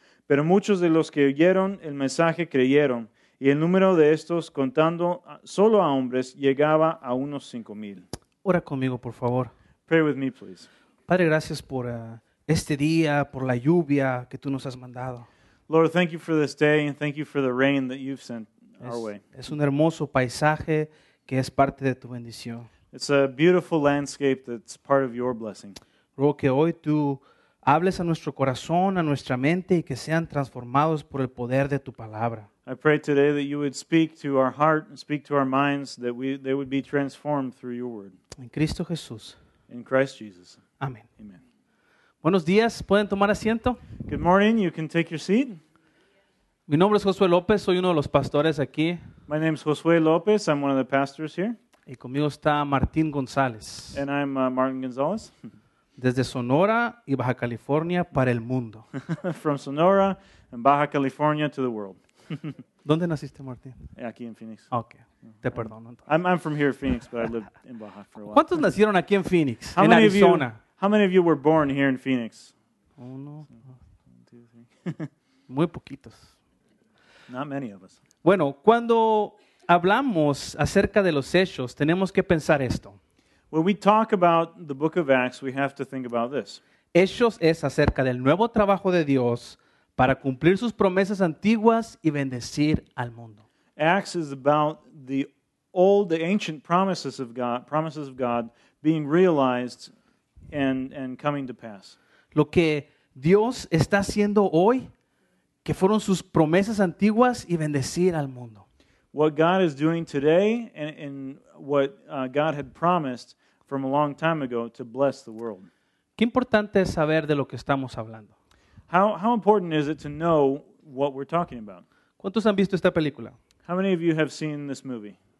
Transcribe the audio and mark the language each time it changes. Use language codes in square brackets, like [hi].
[es] Pero muchos de los que oyeron el mensaje creyeron, y el número de estos, contando solo a hombres, llegaba a unos 5,000. Ora conmigo, por favor. [en] Pray with me, please. [es] Padre, gracias por este día, por la lluvia que tú nos has mandado. [en] Lord, thank you for this day and thank you for the rain that you've sent our way. [es] Es un hermoso paisaje que es parte de tu bendición. [en] It's a beautiful landscape that's part of your blessing. [es] Ruego que hoy tú hables a nuestro corazón, a nuestra mente y que sean transformados por el poder de tu palabra. [en] I pray today that you would speak to our heart and speak to our minds that they would be transformed through your word. [es] En Cristo Jesús. [en] In Christ Jesus. [es] Amén. [en] Amen. [es] Buenos días, ¿pueden tomar asiento? [en] Good morning, you can take your seat. [es] Mi nombre es Josué López, soy uno de los pastores aquí. [en] My name is Josué López, I'm one of the pastors here. [es] Y conmigo está Martín González. [en] And I'm Martin González. [es] Desde Sonora y Baja California para el mundo. [en] From Sonora and Baja California to the world. [es] ¿Dónde naciste, Martín? Aquí en Phoenix. Okay. Te perdono. [en] I'm from here in Phoenix, but I lived in Baja for a while. [es] ¿Cuántos nacieron aquí en Phoenix? En Arizona. [en] How many of you were born here in Phoenix? [es] Uno, dos, tres. Muy poquitos. [en] Not many of us. [es] Bueno, cuando hablamos acerca de los hechos, tenemos que pensar esto. [en] When we talk about the book of Acts, we have to think about this. [es] Hechos es acerca del nuevo trabajo de Dios para cumplir sus promesas antiguas y bendecir al mundo. [en] Acts is about the ancient promises of God being realized and coming to pass. [es] Lo que Dios está haciendo hoy, que fueron sus promesas antiguas y bendecir al mundo. [en] What God is doing today and what God had promised from a long time ago to bless the world. [es] Qué importante es saber de lo que estamos hablando. [en] How important is it to know what we're talking about? [es] ¿Cuántos han visto esta película? [en] How many of you have seen this movie?